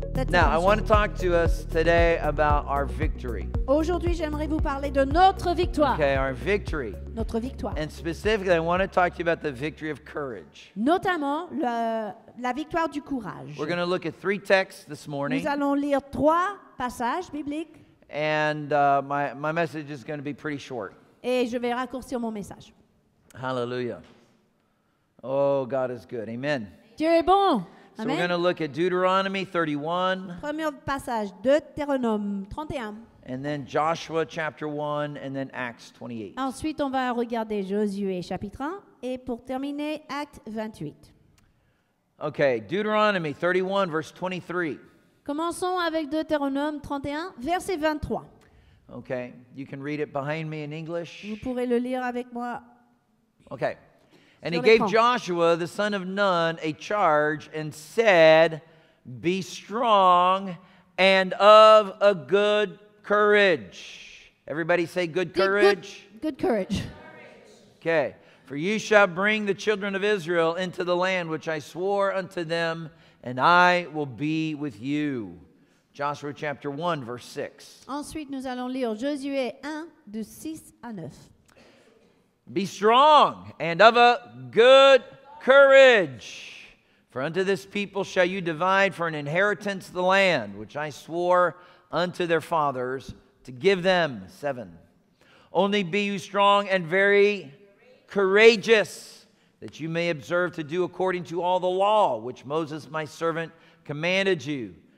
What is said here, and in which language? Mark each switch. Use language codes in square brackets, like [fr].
[en] Now, I want to talk to us today about our victory. [fr] Aujourd'hui, j'aimerais vous parler de notre victoire. [en] Okay, our victory. [fr] Notre victoire. [en] And specifically, I want to talk to you about the victory of courage. [fr] Notamment la victoire du courage. [en] We're going to look at three texts this morning. [fr] Nous allons lire trois passages bibliques. [en] And my message is going to be pretty short. [fr] Et je vais raccourcir mon message. [en] Hallelujah. Oh, God is good. Amen. [fr] Dieu est bon. [en] So we're going to look at Deuteronomy 31. [fr] Premier passage, Deutéronome 31. [en] And then Joshua chapter 1, and then Acts 28. [fr] Ensuite, on va regarder Josué chapitre 1, et pour terminer, Actes 28. [en] Okay, Deuteronomy 31, verse 23. [fr] Commençons avec Deutéronome 31, verset 23. [en] Okay, you can read it behind me in English. [fr] Vous pourrez le lire avec moi. [en] Okay. And he gave Joshua, the son of Nun, a charge and said, be strong and of a good courage. Everybody say good courage. Good courage. Okay. For you shall bring the children of Israel into the land which I swore unto them, and I will be with you. Joshua chapter 1, verse 6. [fr] Ensuite, nous allons lire Josué 1, de 6 à 9. [en] Be strong and of a good courage. For unto this people shall you divide for an inheritance the land, which I swore unto their fathers to give them. 7. Only be you strong and very courageous, that you may observe to do according to all the law, which Moses my servant commanded you.